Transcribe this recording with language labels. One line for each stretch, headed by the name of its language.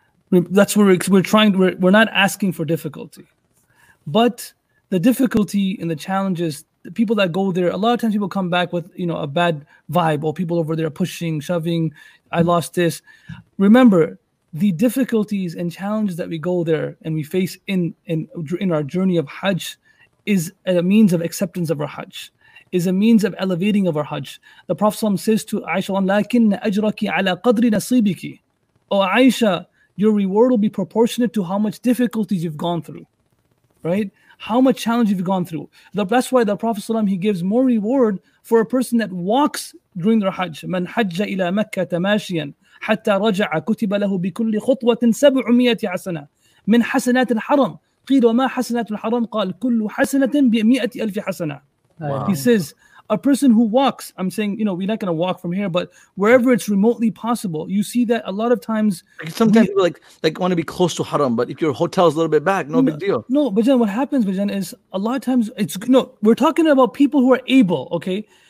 English: That's where we're not asking for difficulty. But the difficulty and the challenges, the people that go there, a lot of times people come back with, you know, a bad vibe, or people over there pushing, shoving, I lost this. Remember, the difficulties and challenges that we go there and we face in our journey of Hajj is a means of acceptance of our Hajj, is a means of elevating of our Hajj. The Prophet ﷺ says to Aisha,
Arabic: لكن أجرك على قدر نصيبك.
English: Oh Aisha, your reward will be proportionate to how much difficulties you've gone through. Right? How much challenge you've gone through. That's why the Prophet ﷺ, he gives more reward for a person that walks during their Hajj.
Arabic: من حج إلى مكة تماشيا حتى رجع كتب له بكل خطوة 700 حسنة من حسنات الحرم. قيل وما حسنات الحرم قال كل حسنة بمئة ألف حسنة.
English: Wow. He says, a person who walks. I'm saying, you know, we're not going to walk from here, but wherever it's remotely possible, you see that a lot of times. Sometimes people like want to be close to Haram, but if your hotel is a little bit back, no big deal. No, but then what happens, Bajan, is a lot of times it's, no, we're talking about people who are able, okay?